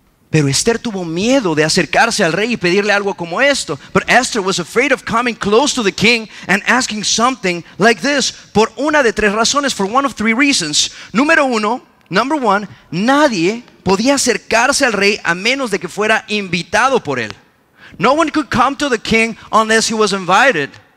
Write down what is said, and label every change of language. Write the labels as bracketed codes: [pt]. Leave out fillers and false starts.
[es] Pero Esther tuvo miedo de acercarse al rey y pedirle algo como esto. [en] But Esther was afraid of coming close to the king and asking something like this. [es] Por una de tres razones, [en] for one of three reasons. Number one, [es] nadie podía acercarse al rey a menos de que fuera invitado por él. [en] No one could come to the king unless he was invited.